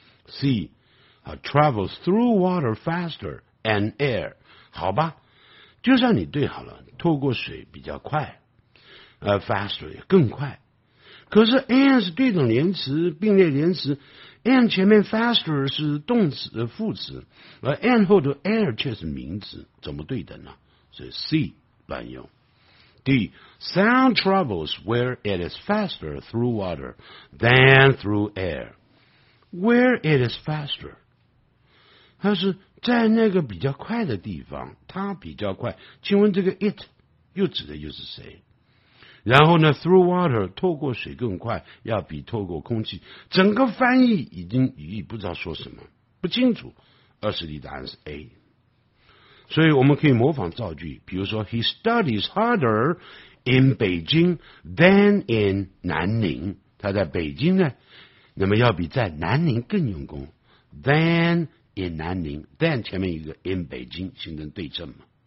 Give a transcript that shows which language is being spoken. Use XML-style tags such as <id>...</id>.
<zh>C、</zh> <en>travels through water faster and air，</en> <zh>好吧，就算你对好了，透过水比较快，faster 也更快，可是 and 是对等连词，并列连词， and 前面 faster 是动词副词，而 and 后头 air 却是名词，怎么对等呢？所以 C 乱用。 D，</zh> <en>sound travels where it is faster through water than through air， where it is faster，</en> <zh>它是在那个比较快的地方，它比较快，请问这个 it 又指的又是谁？然后呢</zh> <en>through water</en> <zh>透过水更快，要比透过空气，整个翻译已经语义不知道说什么，不清楚。二十题答案是 A。所以我们可以模仿造句，比如说</zh> <en>He studies harder in Beijing than in</en> <zh>南宁，他在北京呢，那么要比在南宁更用功， than in 南宁， than 前面一个 in 北京形成对称嘛。</zh>